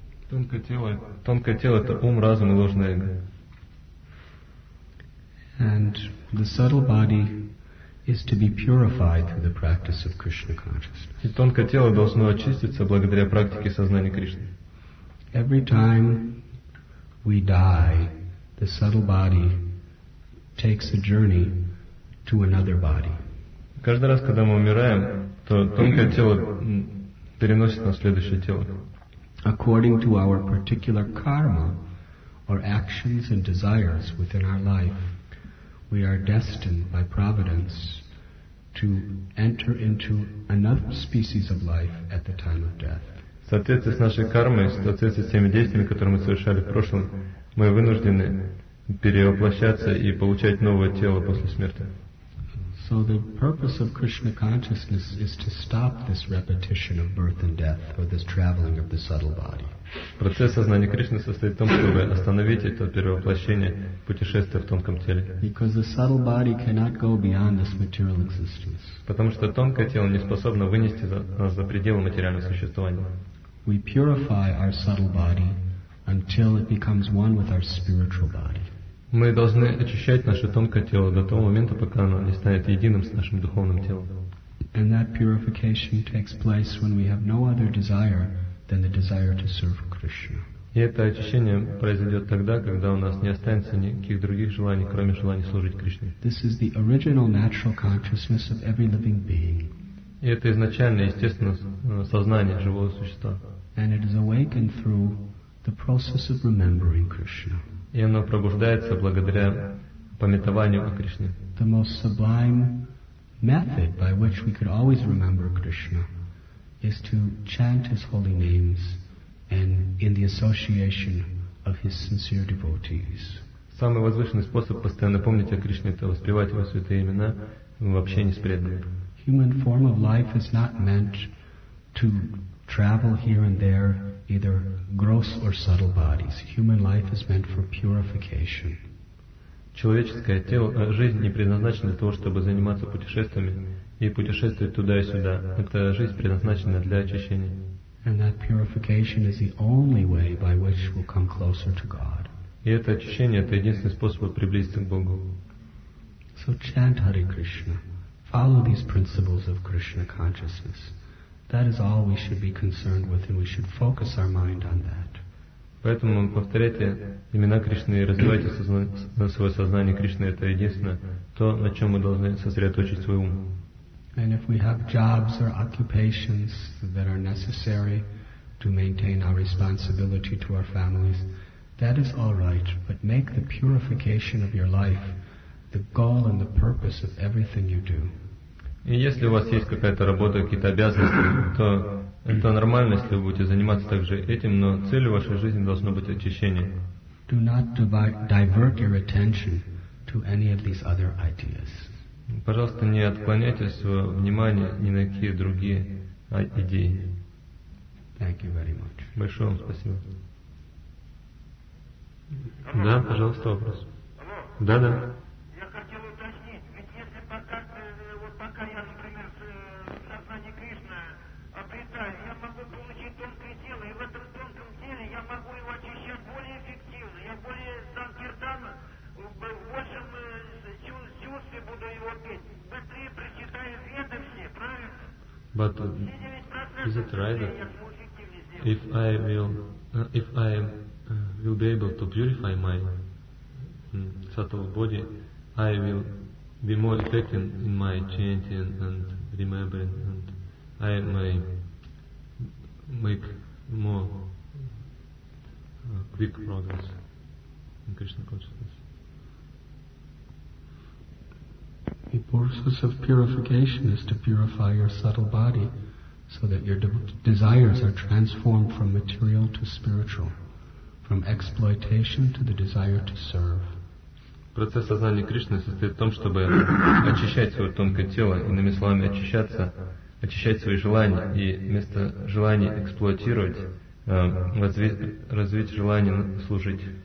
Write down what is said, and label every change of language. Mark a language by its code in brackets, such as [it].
[ru] Тонкое тело — это ум, разум и ложное эго. [en] And the subtle body is to be purified through the practice of Krishna consciousness. [ru] И тонкое тело должно очиститься благодаря практике сознания Кришны. [en] Every time we die, the subtle body takes a journey to another body. [ru] Каждый раз, когда мы умираем, то тонкое тело переносит нас в следующее тело. [en] According to our particular karma, or actions and desires within our life, we are destined by providence to enter into another species of life at the time of death. [ru] В соответствии с нашей кармой, в соответствии с теми действиями, которые мы совершали в прошлом, мы вынуждены перевоплощаться и получать новое тело после смерти. [en] So the purpose of Krishna consciousness is to stop this repetition of birth and death, or this traveling of the subtle body. [ru] Процесс сознания Кришны состоит в том, чтобы остановить это перевоплощение, путешествие в тонком теле. [en] Because the subtle body cannot go beyond this material existence. [ru] Потому что тонкое тело не способно вынести нас за пределы материального существования. [en] We purify our subtle body until it becomes one with our spiritual body. [ru] Мы должны очищать наше тонкое тело до того момента, пока оно не станет единым с нашим духовным телом. [en] And that purification takes place when we have no other desire than the desire to serve Krishna. [ru] И это очищение произойдет тогда, когда у нас не останется никаких других желаний, кроме желания служить Кришне. [en] This is the original natural consciousness of every living being. [ru] И это изначальное, естественное сознание живого существа. [en] And it is awakened through the process of remembering Krishna. [ru] И оно пробуждается благодаря памятованию о Кришне. [en] The most sublime method by which we could always remember Krishna is to chant his holy names and in the association of his sincere devotees. [ru] Самый возвышенный способ постоянно помнить о Кришне — это воспевать его святые имена в общении с преданными. [en] Human form of life is not meant to travel here and there, either gross or subtle bodies. Human life is meant for purification. [ru] человеческое тело, жизнь не предназначена для того, чтобы заниматься путешествиями и путешествовать туда и сюда. Эта жизнь предназначена для очищения. [en] And that purification is the only way by which we'll come closer to God. [ru] И это очищение — это единственный способ приблизиться к Богу. [en] So chant Hare Krishna, follow these principles of Krishna consciousness. That is all we should be concerned with, and we should focus our mind on that. [ru] Поэтому повторяйте имена Кришны и развивайте свое сознание Кришны. Это единственное то, на чем мы должны сосредоточить свой ум. [en] And if we have jobs or occupations that are necessary to maintain our responsibility to our families, that is all right, but make the purification of your life the goal and the purpose of everything you do. [ru] И если у вас есть какая-то работа, какие-то обязанности, то это нормально, если вы будете заниматься также этим, но целью вашей жизни должно быть очищение. [en] Do not divert your attention to any of these other ideas. [ru] Пожалуйста, не отклоняйте своё внимание ни на какие другие идеи. [en] Thank you very much. [ru] Большое вам спасибо. Да, пожалуйста, вопрос. Алло. Да, да. Я хотел уточнить, ведь если пока, вот пока я, например, сознание Кришна обретаю, я могу получить тонкое тело, и в этом тонком теле я могу его очищать более эффективно, я более санкиртан, в большем чувстве буду его петь, быстрее прочитаю веды все, правильно? [en] But is it right that if I will be able to purify my subtle body, I will be more effective in my chanting and remembering, and I may make more quick progress in Krishna consciousness. The purpose of purification is to purify your subtle body so that your desires are transformed from material to spiritual. From exploitation to the desire to serve. [ru] Процесс сознания Кришны состоит в том, чтобы очищать свое тонкое тело, иными словами, очищать свои желания, и вместо желания эксплуатировать, развить желание служить.